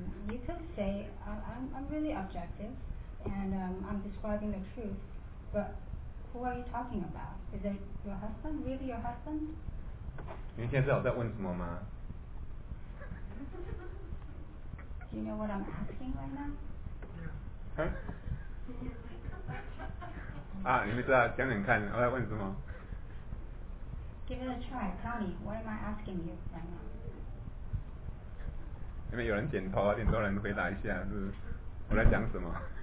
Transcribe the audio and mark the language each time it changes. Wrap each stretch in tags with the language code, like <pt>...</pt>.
<en>You could say I'm really objective, and I'm describing the truth, but. Who are you talking about? Is it your husband? Really your husband?</en> <zh>您现在有在问什么吗？</zh> <en>Do you know what I'm asking right now? Yeah.</en> <zh>Huh? 啊，你们知道，讲讲看，我在问什么。</zh> <en>Give it a try. Tell me, what am I asking you right now?</en> <zh>因为有人点头，挺多人回答一下，是我在讲什么。</zh>